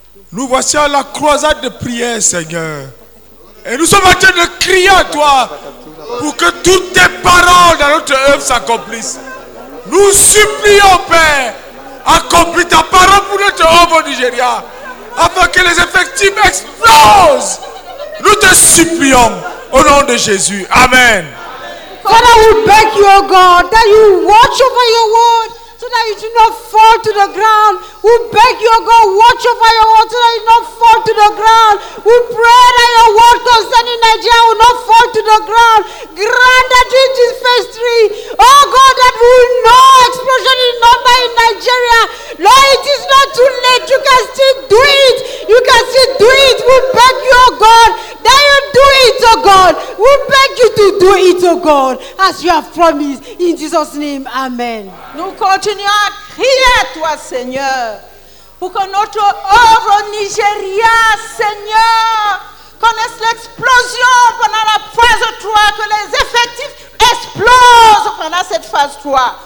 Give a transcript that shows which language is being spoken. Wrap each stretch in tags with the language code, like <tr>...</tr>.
<fr>Nous voici à la croisade de prière, Seigneur. Et nous sommes en train de crier à toi pour que toutes tes paroles dans notre œuvre s'accomplissent. Nous supplions, Père, accomplis ta parole pour notre œuvre au Nigeria afin que les effectifs explosent. Nous te supplions au nom de Jésus. Amen.</fr> <en>Father, we beg you, O God, that you watch over your word so that it do not fall to the ground. We beg you, O God, watch over your word so that it do not fall to the ground. We pray that your word concerning Nigeria will not fall to the ground. Grant that it is phase three. O God, that we will know explosion in number in Nigeria. Lord, it is not too late. You can still do it. You can still do it. We beg you, O God, that you do it, O God. We beg you to do it, O God, as you have promised. In Jesus' name, amen.</en> <fr>Nous continuons à crier à toi, Seigneur, pour que notre œuvre au Nigeria, Seigneur, connaisse l'explosion pendant la phase 3, que les effectifs explosent pendant cette phase 3.</fr>